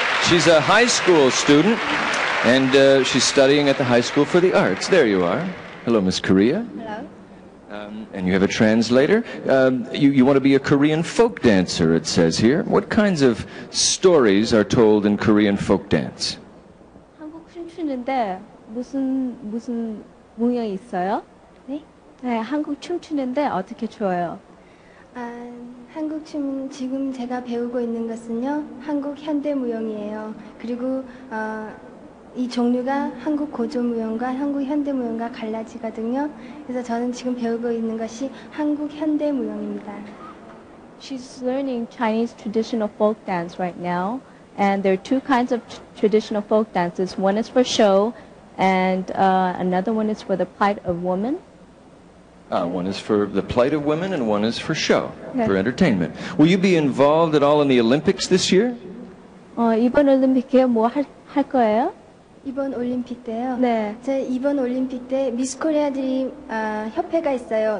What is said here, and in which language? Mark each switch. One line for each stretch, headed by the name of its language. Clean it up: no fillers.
English: She's a high school student, and she's studying at the High School for the Arts. There you are. Hello, Miss Korea. And you have a translator. You want to be a Korean folk dancer, it says here. What kinds of stories are told in Korean folk dance?
Korean: 한국 춤추는데 무슨 모양이 있어요? 네? 네, 한국 춤추는데 어떻게 추어요? 한국 춤 지금 제가 배우고 있는 것은요. 한국 현대 무용이에요. 그리고 이 종류가 한국 고조 무용과 한국 현대 무용과 갈라지거든요. 그래서 저는 지금 배우고 있는 것이 한국 현대 무용입니다.
English: She's learning Chinese traditional folk dance right now. And there are two kinds of traditional folk dances. One is for show and another one is for the plight of women. One is for the plight of women and one is for show, yes. For entertainment. Will you be involved at all in the Olympics this year?
Korean: 이번 올림픽에 뭐 할 거예요? 이번 올림픽 때요. 네. 제 이번 올림픽 때 미스 코리아들이 협회가 있어요.